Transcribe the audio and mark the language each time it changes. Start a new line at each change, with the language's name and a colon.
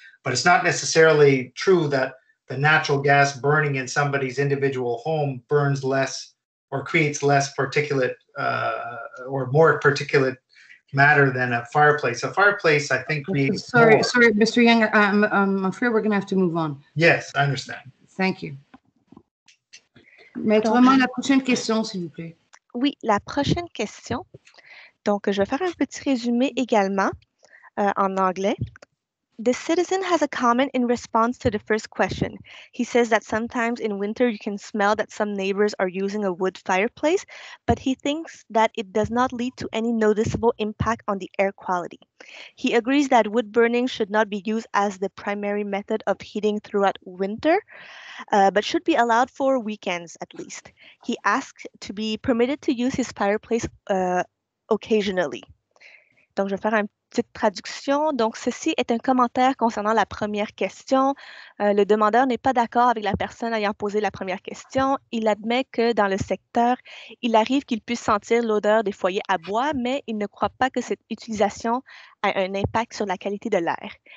English: But it's not necessarily true that the natural gas burning in somebody's individual home burns less or creates less particulate or more particulate matter than a fireplace. A fireplace, I think, creates Sorry, Mr. Young, I'm afraid we're going to have to move on. Yes, I understand. Thank you.
French: Maître Roman, la prochaine question, s'il vous plaît. Oui, la prochaine question. Donc, je vais faire un petit résumé également en anglais.
English: The citizen has a comment in response to the first question. He says that sometimes in winter you can smell that some neighbors are using a wood fireplace, but he thinks that it does not lead to any noticeable impact on the air quality. He agrees that wood burning should not be used as the primary method of heating throughout winter, but should be allowed for weekends at least. He asks to be permitted to use his fireplace occasionally.
French: Donc, je vais faire une petite traduction. Donc, ceci est un commentaire concernant la première question. Le demandeur n'est pas d'accord avec la personne ayant posé la première question. Il admet que dans le secteur, il arrive qu'il puisse sentir l'odeur des foyers à bois, mais il ne croit pas que cette utilisation a un impact sur la qualité de l'air.